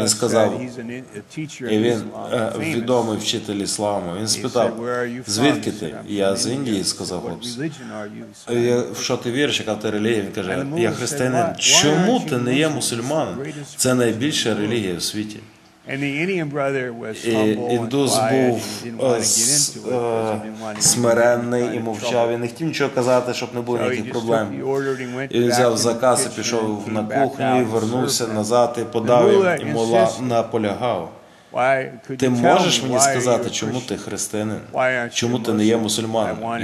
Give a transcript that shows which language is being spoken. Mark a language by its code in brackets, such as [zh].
[uk] Він сказав, і він відомий вчитель ісламу. Він спитав, звідки ти? Я з Індії, сказав хлопець. В що ти віриш, яка ти релігія? Він каже, я християнин. Чому ти не є мусульманин? Це найбільша релігія в світі. [en] And the Indian brother was humble and quiet. [uk] Індус був смиренний і мовчав. Він не хотів нічого казати, щоб не було ніяких проблем. І він взяв заказ і пішов на кухню, вернувся назад і подав їм, і мула наполягав. Ти можеш мені сказати, чому ти християнин? Чому ти не є мусульманом?